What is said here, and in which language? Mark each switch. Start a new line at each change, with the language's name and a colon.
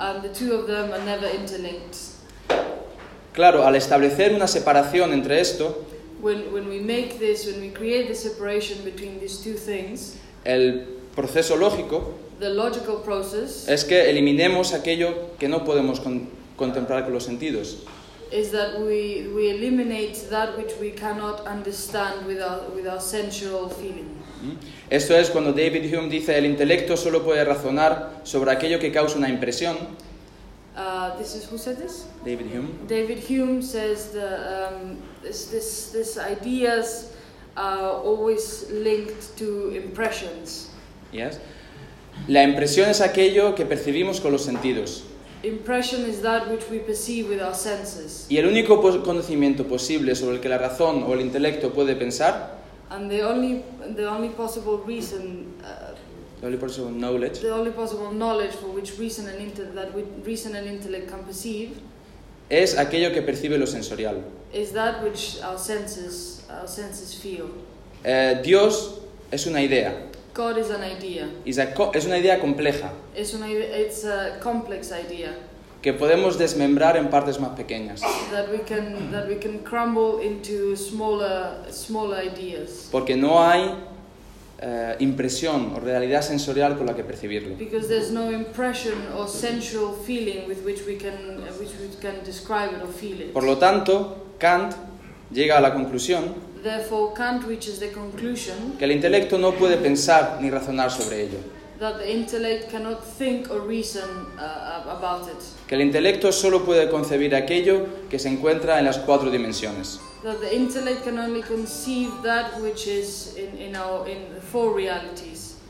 English: And the two of them are never interlinked.
Spanish: Claro, al establecer una separación entre esto,
English: when we make this, when we create the separation between these two things,
Spanish: el proceso lógico,
English: the logical process,
Spanish: es que eliminemos aquello que no podemos contemplar con los sentidos.
English: Is that we eliminate that which we cannot understand with our sensual feeling.
Spanish: Esto es cuando David Hume dice el intelecto solo puede razonar sobre aquello que causa una impresión.
English: This is who said this? David Hume. David Hume says this ideas are always linked to impressions. Yes.
Spanish: La impresión es aquello que percibimos con los sentidos.
English: Impression is that which we perceive with our senses.
Spanish: Y el único conocimiento posible sobre el que la razón o el intelecto puede pensar,
English: and the only possible reason, the only possible knowledge for which reason and intellect can perceive,
Spanish: es aquello que percibe lo sensorial.
English: Is that which our senses feel.
Spanish: Dios es una idea.
English: God is an idea.
Spanish: Es una idea compleja.
English: It's a complex idea.
Spanish: Que podemos desmembrar en partes más pequeñas.
English: That we can crumble into smaller ideas.
Spanish: Porque no hay impresión o realidad sensorial con la que percibirlo.
English: Because there's no impression or sensual feeling with which we can describe it or feel it.
Spanish: Por lo tanto, Kant llega a la conclusión.
English: Therefore, Kant reaches the conclusion
Spanish: que el intelecto no puede pensar ni razonar sobre ello.
English: That the intellect cannot think or reason about it.
Spanish: Que el intelecto solo puede concebir aquello que se encuentra en las cuatro dimensiones.
English: That the intellect can only conceive that which is in the four realities.